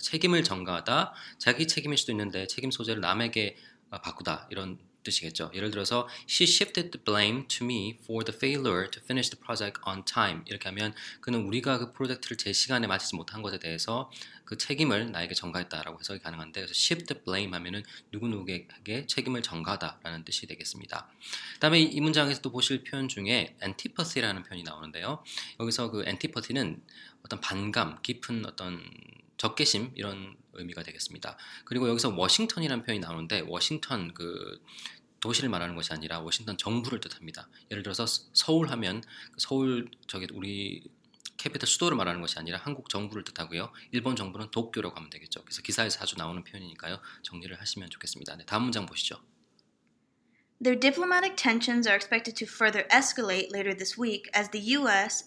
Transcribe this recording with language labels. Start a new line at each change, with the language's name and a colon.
Korean: 책임을 전가하다, 자기 책임일 수도 있는데 책임 소재를 남에게 바꾸다 이런 뜻이겠죠. 예를 들어서
English: she shifted the blame to me for the failure to finish the project on time.
Korean: 이렇게 하면 그는 우리가 그 프로젝트를 제 시간에 마치지 못한 것에 대해서 그 책임을 나에게 전가했다라고 해석이 가능한데, 그래서
English: shift the blame
Korean: 하면은 누구누구에게 책임을 전가하다라는 뜻이 되겠습니다. 그다음에 이 문장에서 또 보실 표현 중에 antipathy라는 표현이 나오는데요. 여기서 그 antipathy는 어떤 반감, 깊은 어떤 적개심 이런 의미가 되겠습니다. 그리고 여기서 워싱턴이라는 표현이 나오는데 워싱턴 그 도시를 말하는 것이 아니라 워싱턴 정부를 뜻합니다. 예를 들어서 서울 하면 서울 저기 우리 캐피탈 수도를 말하는 것이 아니라 한국 정부를 뜻하고요. 일본 정부는 도쿄라고 하면 되겠죠. 그래서 기사에서 자주 나오는 표현이니까요. 정리를 하시면 좋겠습니다. 네, 다음 문장 보시죠.
English: Their diplomatic tensions are expected to further escalate later this week as the U.S.